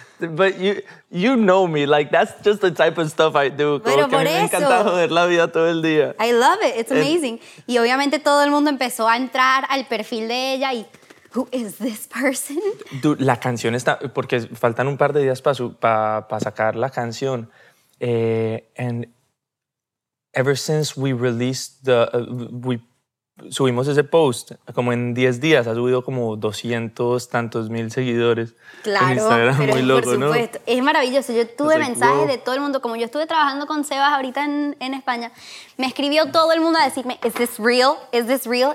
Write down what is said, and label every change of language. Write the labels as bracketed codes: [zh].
[en] But you know me, like that's just the type of stuff I do. [es] Pero por eso. Me encanta joder la vida todo el día. [en] I love it, it's amazing. [es] Y obviamente todo el mundo empezó a entrar al perfil de ella y [en] who is this person? [es] Dude, la canción está, porque faltan un par de días para sacar la canción. [en] And ever since we released the, uh, we [es] subimos ese post, como en 10 días ha subido como 200 tantos mil seguidores. Claro, en Instagram, pero muy loco, por supuesto. ¿No? Es maravilloso. Yo tuve mensajes de todo el mundo. Como yo estuve trabajando con Sebas ahorita en España, me escribió todo el mundo a decirme, [en] ¿is this real? ¿Is this real?